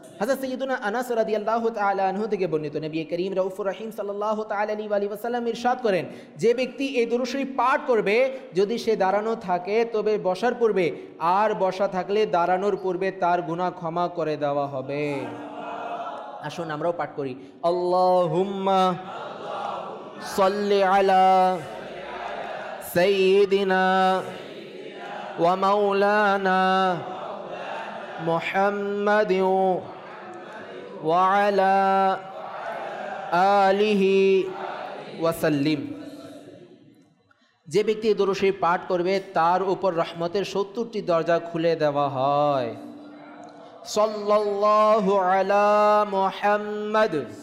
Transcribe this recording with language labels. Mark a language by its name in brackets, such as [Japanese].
[Bangla] হযরত সাইয়্যিদুনা আনাস রাদিয়াল্লাহু তাআলা আনহু থেকে বর্ণিত নবী করিম রাউফুর রহিম সাল্লাল্লাহু তাআলা আলাইহি ওয়া সাল্লাম ইরশাদ করেন, যে ব্যক্তি এই দুরূদ শরীফ পাঠ করবে যদি সে দাঁড়ানো থাকে তবে বসার পূর্বে, আর বসা থাকলে দাঁড়ানোর পূর্বে তার গুনাহ ক্ষমা করে দেওয়া হবে। আসুন আমরাও পাঠ করি। [Arabic] আল্লাহুম্মা صلِّ على سيدنا ومولانا محمد وعلى آله وسلم। [Bangla] যে ব্যক্তি দরুদ শরীফ পাঠ করবে তার উপর রহমতের সত্তরটি দরজা খুলে দেওয়া হয়। [Arabic] সাল্লাল্লাহু আলা মুহাম্মদ।